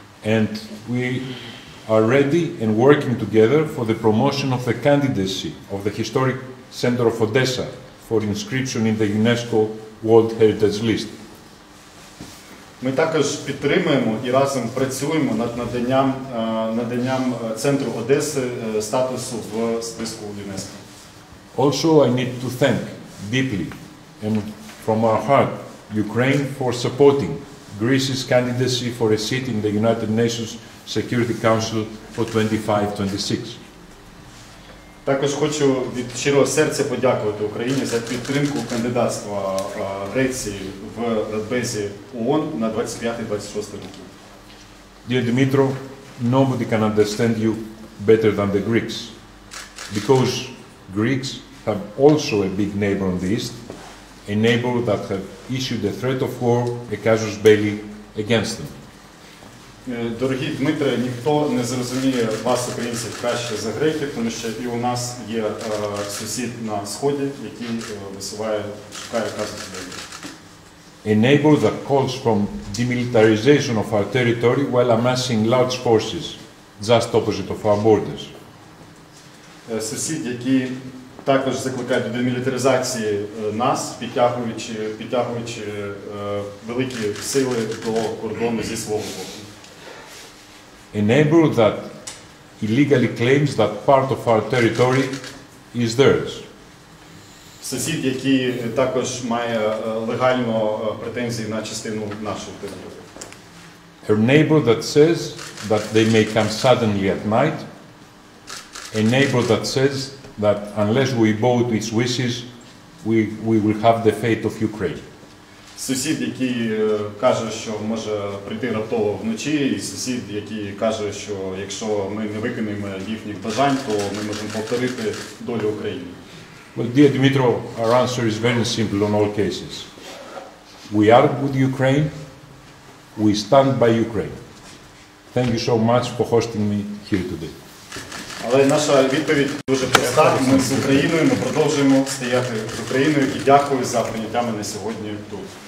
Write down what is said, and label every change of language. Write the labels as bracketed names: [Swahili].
[English] And we are ready and working together for the promotion of the candidacy of the historic center of Odessa for inscription in the UNESCO World Heritage List. [Ukrainian] Ми також підтримуємо і разом працюємо над наданням центру Одеси статусу в списку ЮНЕСКО. [English] Also, I need to thank deeply and from our heart Ukraine for supporting Greece's candidacy for a seat in the United Nations Security Council for 25-26. [Ukrainian] Також хочу від щирого серця подякувати Україні за підтримку кандидатства Греції в Радбезі ООН на 25-26 роки. [English] Dear Dimitro, nobody can understand you better than the Greeks, because Greeks have also a big neighbor on the east, a neighbor that have issued a threat of war, a casus belli, against them. [Ukrainian] Дорогі Дмитре, ніхто не зрозуміє вас, українців, краще за греків, тому що і у нас є сусід на сході, який висуває, шукає казус белі. [English] A neighbor that calls for demilitarization of our territory while amassing large forces just opposite of our borders. [Ukrainian] Сусід, який також закликає до демілітаризації нас, підтягуючи великі сили до кордону зі свого боку. [English] A neighbor that illegally claims that part of our territory is theirs. [Ukrainian] Сусід, який також має легально претензії на частину нашої території. [English] A neighbor that says that they may come suddenly at night. A neighbor that says that unless we bow to its wishes, we will have the fate of Ukraine. [Ukrainian] Сусід, який каже, що може прийти раптово вночі, і сусід, який каже, що якщо ми не виконуємо їхніх бажань, то ми можемо повторити долю України. [English] Well, dear Dmitro, our answer is very simple on all cases. We are with Ukraine. We stand by Ukraine. Thank you so much for hosting me here today. [Ukrainian] Але наша відповідь дуже проста. Ми з Україною, ми продовжуємо стояти з Україною і дякую за прийняття мене сьогодні тут.